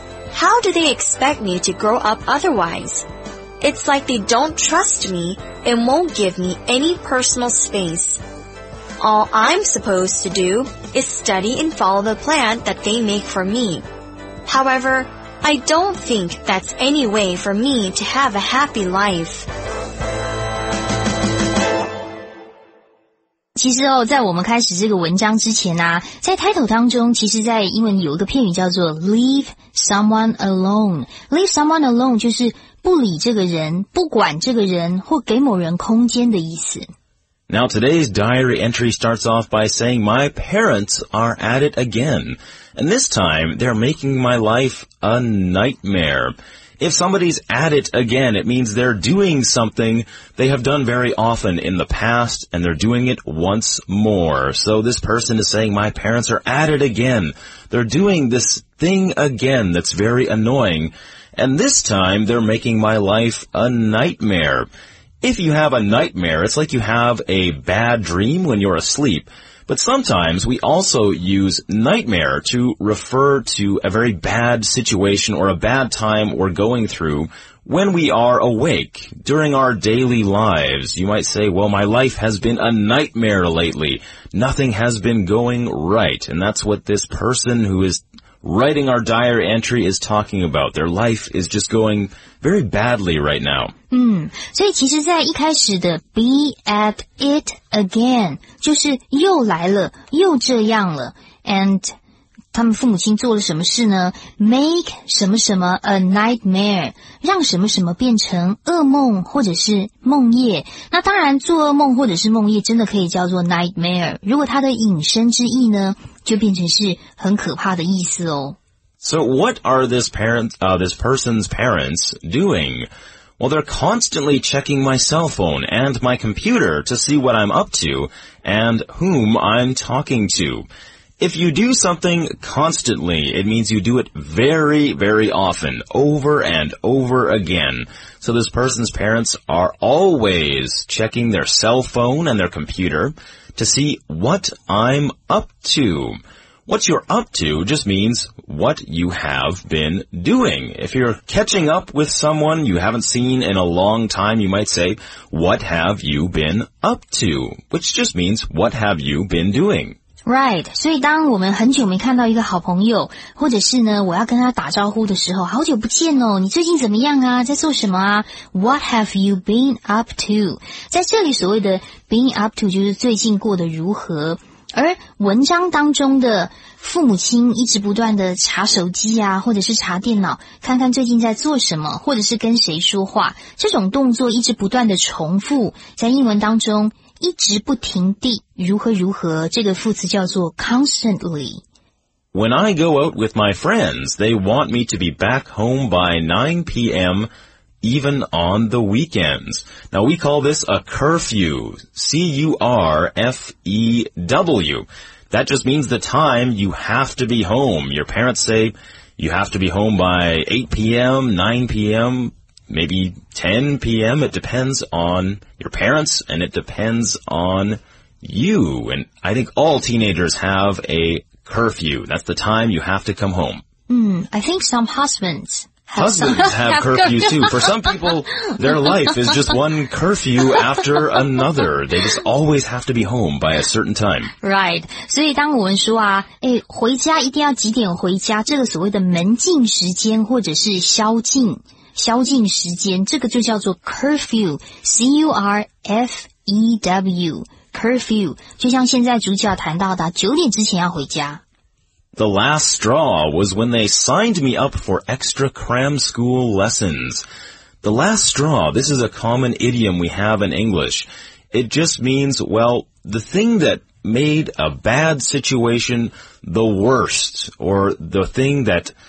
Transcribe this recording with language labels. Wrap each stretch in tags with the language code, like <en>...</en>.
<en>How do they expect me to grow up otherwise? It's like they don't trust me and won't give me any personal space. All I'm supposed to do is study and follow the plan that they make for me. However, I don't think that's any way for me to have a happy life.</en> <zh>其实哦，在我们开始这个文章之前啊，在 title 当中，其实在英文有一个片语叫做</zh> <en>leave someone alone。 leave someone alone</en> <zh>就是不理这个人，不管这个人，或给某人空间的意思。</zh> <en>Now today's diary entry starts off by saying my parents are at it again, and this time they're making my life a nightmare. If somebody's at it again, it means they're doing something they have done very often in the past, and they're doing it once more. So this person is saying my parents are at it again. They're doing this thing again that's very annoying. And this time, they're making my life a nightmare. If you have a nightmare, it's like you have a bad dream when you're asleep. But sometimes, we also use nightmare to refer to a very bad situation or a bad time we're going through when we are awake during our daily lives. You might say, well, my life has been a nightmare lately. Nothing has been going right. And that's what this person who is... writing our diary entry is talking about. Their life is just going very badly right now.</en> <zh>嗯，所以其实在一开始的</zh> <en>be at it again,</en> <zh>就是又来了，又这样了。 And 他们父母亲做了什么事呢？Make 什么什么</zh> <en>a nightmare,</en> <zh>让什么什么变成噩梦或者是梦夜。那当然做噩梦或者是梦夜真的可以叫做 nightmare。如果它的引申之意呢就变成是很可怕的意思哦。</zh> <en>So what are this person's parents doing? Well, they're constantly checking my cell phone and my computer to see what I'm up to and whom I'm talking to. If you do something constantly, it means you do it very, very often, over and over again. So this person's parents are always checking their cell phone and their computer. To see what I'm up to. What you're up to just means what you have been doing. If you're catching up with someone you haven't seen in a long time, you might say, what have you been up to? Which just means, what have you been doing?</en> <zh>Right, 所以当我们很久没看到一个好朋友，或者是呢，我要跟他打招呼的时候，好久不见哦，你最近怎么样啊？在做什么啊 ？</zh> <en>What have you been up to？</en> <zh>在这里所谓的</zh> <en>been up to</en> <zh>就是最近过得如何。而文章当中的父母亲一直不断的查手机啊，或者是查电脑，看看最近在做什么，或者是跟谁说话，这种动作一直不断的重复，在英文当中。一直不停地如何如何这个副词叫做 constantly.</zh> <en>When I go out with my friends, they want me to be back home by 9 p.m. even on the weekends. Now we call this a curfew, C-U-R-F-E-W. That just means the time you have to be home. Your parents say you have to be home by 8 p.m., 9 p.m. Maybe 10 p.m. It depends on your parents and it depends on you. And I think all teenagers have a curfew. That's the time you have to come home. I think some husbands have curfew too. For some people, their life is just one curfew after another. They just always have to be home by a certain time. Right.</en> <zh>所以当我们说啊，哎，回家一定要几点回家，这个所谓的门禁时间或者是宵禁。宵禁时间，这个就叫做 curfew,C-U-R-F-E-W, curfew, 就像现在主角谈到的九点之前要回家。</zh> <en>The last straw was when they signed me up for extra cram school lessons. The last straw, this is a common idiom we have in English. It just means, well, the thing that made a bad situation the worst, or the thing that...</en>